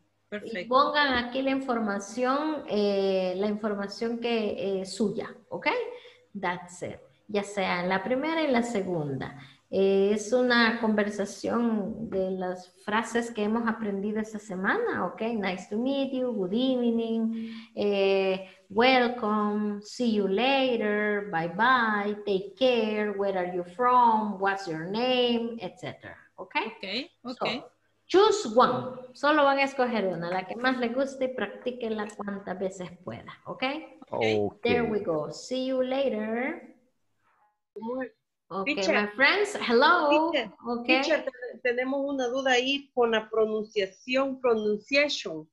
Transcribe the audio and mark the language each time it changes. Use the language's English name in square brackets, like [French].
[Spanish] Perfecto. Y pongan aquí la información que suya, okay? [English] That's it. [Spanish] Ya sea en la primera y la segunda. Es una conversación de las frases que hemos aprendido esta semana, ¿ok? [English] Nice to meet you, good evening, welcome, see you later, bye-bye, take care, where are you from, what's your name, etc. ¿Ok? Ok, ok. So, choose one. [Spanish] Solo van a escoger una, la que más les guste, practíquenla cuantas veces pueda, ¿okay? ¿Ok? [English] There we go. See you later. Okay, teacher. My friends, hello. Teacher, okay. [Spanish] Teacher, tenemos una duda ahí con la pronunciación, pronunciation.